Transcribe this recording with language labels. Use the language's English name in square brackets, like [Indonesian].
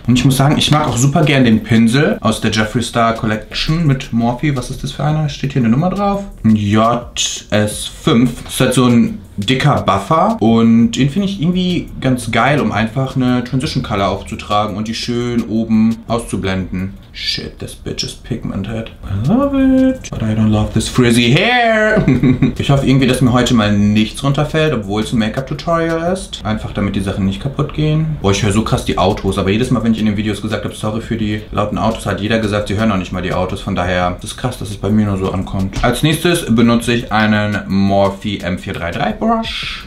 [German] Und ich muss sagen, ich mag auch super gern den Pinsel aus der Jeffree Star Collection mit Morphe. Was ist das für einer? Steht hier eine Nummer drauf? Ein JS5. Das ist halt so ein dicker Buffer und den finde ich irgendwie ganz geil, um einfach eine Transition Color aufzutragen und die schön oben auszublenden. [English] Shit, this bitch is pigmented. I love it, but I don't love this frizzy hair. [German] Ich hoffe irgendwie, dass mir heute mal nichts runterfällt, obwohl es ein Make-up-Tutorial ist. Einfach, damit die Sachen nicht kaputt gehen. Boah, ich höre so krass die Autos, aber jedes Mal, wenn ich in den Videos gesagt habe, sorry für die lauten Autos, hat jeder gesagt, sie hören auch nicht mal die Autos. Von daher ist es krass, dass es bei mir nur so ankommt. Als nächstes benutze ich einen Morphe M433 Brush.